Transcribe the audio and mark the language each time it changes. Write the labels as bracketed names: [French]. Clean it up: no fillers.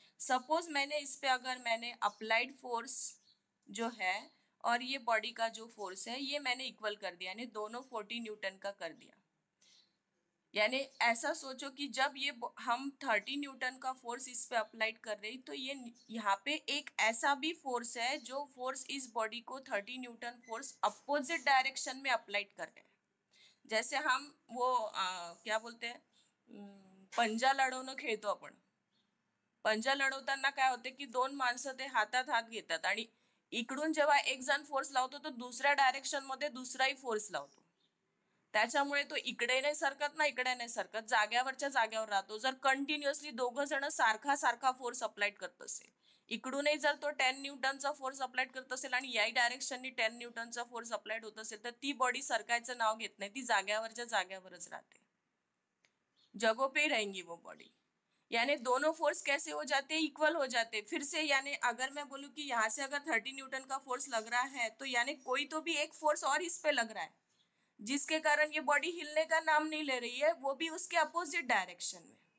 [Hindi] Suppose मैंने इस पे, अगर मैंने अप्लाइड फोर्स जो है और ये बॉडी का जो फोर्स है ये मैंने इक्वल कर दिया, यानी दोनों 40 न्यूटन का कर दिया, यानी ऐसा सोचो कि जब ये हम 30 न्यूटन का फोर्स इस पे अप्लाइड कर रही, तो ये यहाँ पे एक ऐसा भी फोर्स है जो फोर्स इस बॉडी को 30 न्यूटन फोर्स अपोजिट डायरेक्शन में अप्लाइड कर रहे हैं। जैसे हम वो क्या बोलते हैं, [Marathi] पंजा लड़ो ना खेतो, अपन पंजा लड़ोताना काय होते कि दोन माणसं ते हातात हात घेतात आणि इकडून जेव्हा एक जण फोर्स लावतो तो दुसऱ्या डायरेक्शन मध्ये दुसराही फोर्स लावतो, त्याच्यामुळे तो इकडे नाही सरकत ना इकडे नाही सरकत, जाग्यावरच्या जाग्यावर राहतो। जर कंटिन्युअसली दोघं जण सारखा सारखा फोर्स अप्लाइड करत असेल, इकडूनही जर तो 10 न्यूटनचा फोर्स अप्लाइड करत असेल आणि याही डायरेक्शननी 10 न्यूटनचा फोर्स अप्लाइड होत असेल, तर ती बॉडी सरकायचं नाव घेत नाही, ती जाग्यावरच्या जाग्यावरच राहते, [Hindi] जगो पे राहेंगी वो बॉडी। यानी दोनों फोर्स कैसे हो जाते? इक्वल हो जाते फिर से। यानी अगर मैं बोलूं कि यहाँ से अगर 30 न्यूटन का फोर्स लग रहा है, तो यानी कोई तो भी एक फोर्स और इस पे लग रहा है जिसके कारण ये बॉडी हिलने का नाम नहीं ले रही है, वो भी उसके अपोजिट डायरेक्शन में।